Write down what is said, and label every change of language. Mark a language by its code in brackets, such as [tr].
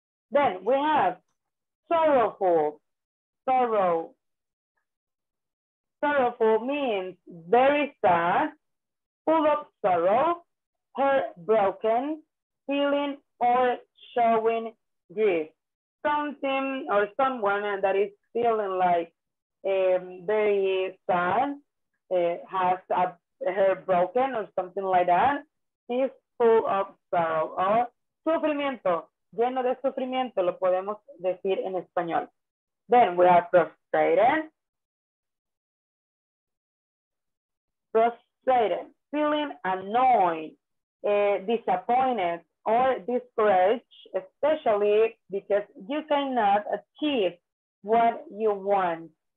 [en] Then we have sorrowful. Sorrowful means very sad, full of sorrow, heartbroken, feeling or showing grief. Something or someone that is feeling like very sad, has a heartbroken or something like that, is full of sorrow. [es] Or sufrimiento, lleno de sufrimiento, lo podemos decir en español. [en] Then we have frustrated, feeling annoyed, disappointed, or discouraged, especially because you cannot achieve what you want.